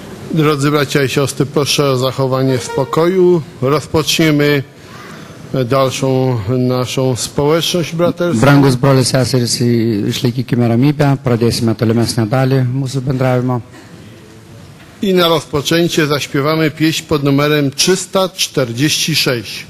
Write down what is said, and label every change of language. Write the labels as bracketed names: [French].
[Polish] Drodzy bracia i siostry, proszę o zachowanie spokoju. Rozpoczniemy dalszą naszą społeczność braterską. [Lithuanian] Brangus broli seseris, išlaikykime ramybę, pradėsime tolimesnę dalį mūsų bendravimo. [Polish] I na rozpoczęcie zaśpiewamy pieśń pod numerem 346.